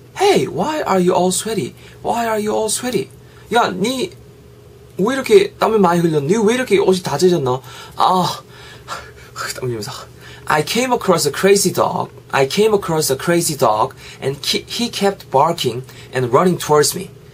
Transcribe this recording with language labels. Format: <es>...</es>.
<en>Hey, why are you all sweaty?</en> <ko>야, 니 왜 이렇게 땀을 많이 흘렸니? 왜 이렇게 옷이 다 젖었나? 아, 땀 흘리면서.</ko> <en>I came across a crazy dog. I came across a crazy dog and he kept barking and running towards me.</en>